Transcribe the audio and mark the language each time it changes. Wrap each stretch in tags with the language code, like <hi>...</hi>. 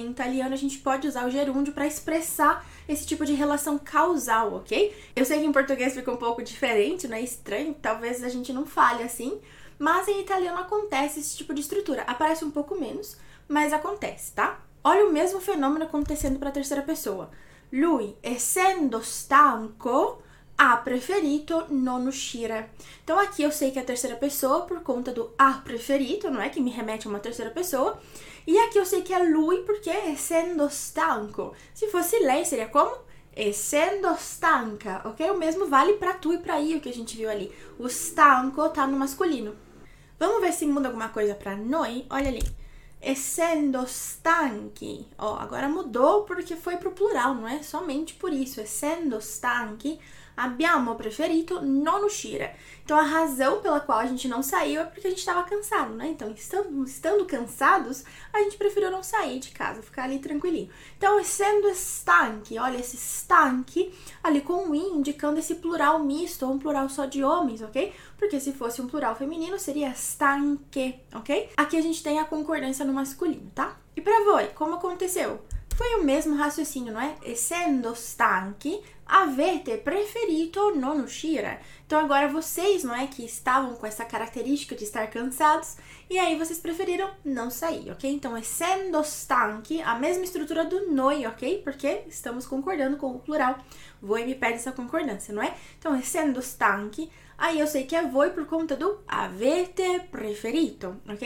<pt>Em italiano, a gente pode usar o gerúndio para expressar esse tipo de relação causal, ok? Eu sei que em português fica um pouco diferente, não é? Estranho, talvez a gente não fale assim, mas em italiano acontece esse tipo de estrutura. Aparece um pouco menos, mas acontece, tá? Olha o mesmo fenômeno acontecendo para a terceira pessoa.</pt> <it>Lui, essendo stanco, ha preferito non uscire.</it> <pt>Então, aqui eu sei que é a terceira pessoa por conta do</pt> <it>ha preferito,</it> <pt>não é? Que me remete a uma terceira pessoa. E aqui eu sei que é lui porque</pt> <it>essendo stanco.</it> <pt>Se fosse lei, seria como?</pt> <it>Essendo stanca,</it> <pt>ok? O mesmo vale para tu e para io que a gente viu ali. O stanco tá no masculino. Vamos ver se muda alguma coisa para noi? Olha ali.</pt> <it>Essendo stanchi,</it> <pt>ó, agora mudou porque foi pro plural, não é? Somente por isso.</pt> <it>Essendo stanchi, abbiamo preferito non uscire.</it> <pt>Então, a razão pela qual a gente não saiu é porque a gente estava cansado, né? Então, estando cansados, a gente preferiu não sair de casa, ficar ali tranquilinho. Então,</pt> <it>essendo stanchi,</it> <pt>olha esse stanchi ali com o i indicando esse plural misto, ou um plural só de homens, ok? Porque se fosse um plural feminino, seria stanche, ok? Aqui a gente tem a concordância no masculino, tá? E pra voi, como aconteceu? Foi o mesmo raciocínio, não é?</pt> <it>Essendo stanchi, avete preferito non uscire.</it> <pt>Então agora vocês, não é, que estavam com essa característica de estar cansados, e aí vocês preferiram não sair, ok? Então,</pt> <it>essendo stanchi,</it> <pt>a mesma estrutura do noi, ok? Porque estamos concordando com o plural. Voi me pede essa concordância, não é? Então,</pt> <it>essendo stanchi,</it> <pt>aí eu sei que é voi por conta do</pt> <it>avete preferito,</it> <pt>ok?</pt>